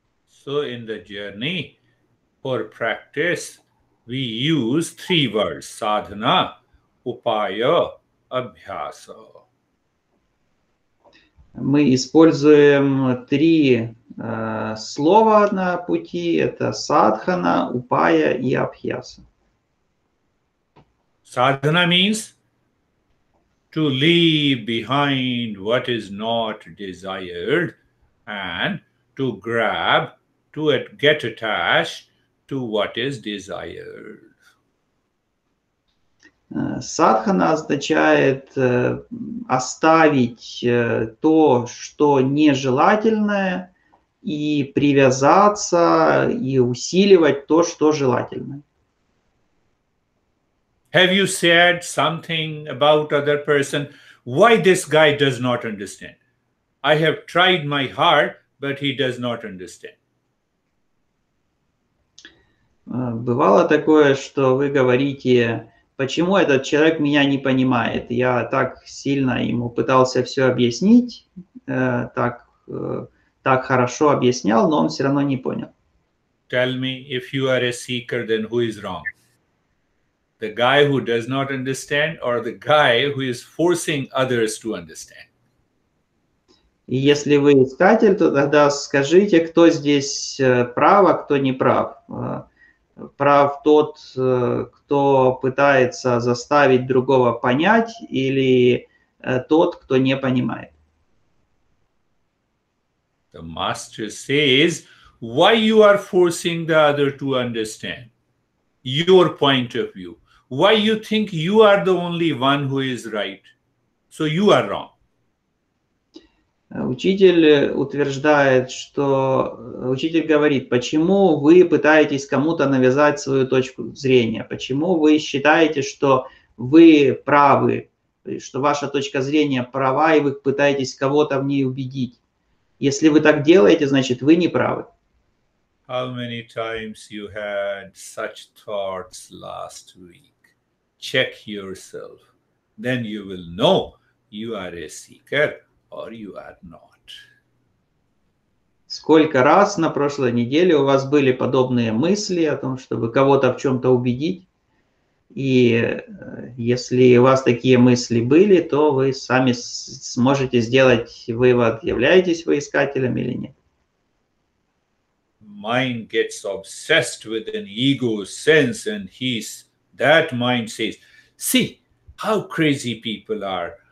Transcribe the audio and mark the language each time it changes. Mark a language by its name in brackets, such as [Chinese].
[English] So in the journey for practice, we use three words: sadhana, upaya, abhyasa. [Russian] Мы используем три слова на пути. Это садхана, упая и абхьяса. [English] Sadhana means to leave behind what is not desired and to grab, to get attached to what is desired. [Russian] Садхана означает оставить то, что нежелательное, и привязаться, и усиливать то, что желательное. [English] Have you said something about other person? Why this guy does not understand? I have tried my heart, but he does not understand. [Russian] Бывало такое, что вы говорите, почему этот человек меня не понимает? Я так сильно ему пытался все объяснить, так хорошо объяснял, но он все равно не понял. [English] Tell me, if you are a seeker, then who is wrong? The guy who does not understand or the guy who is forcing others to understand? [Russian] Если вы искатель, то тогда скажите, кто здесь прав, а кто не прав. Прав тот, кто пытается заставить другого понять, или тот, кто не понимает. [English] The master says, why you are forcing the other to understand your point of view? Why you think you are the only one who is right? So you are wrong. [Russian] Учитель говорит, почему вы пытаетесь кому-то навязать свою точку зрения? Почему вы считаете, что вы правы, что ваша точка зрения права, и вы пытаетесь кого-то в ней убедить? Если вы так делаете, значит, вы не правы. [English] How many times you had such thoughts last week? Check yourself, then you will know you are a seeker or you are not. [Russian] Сколько раз на прошлой неделе у вас были подобные мысли о том, чтобы кого-то в чем-то убедить? И если у вас такие мысли были, то вы сами сможете сделать вывод, являетесь вы искателем или нет. [English] Mind gets obsessed with an ego sense and he's that mind says, see how crazy people are.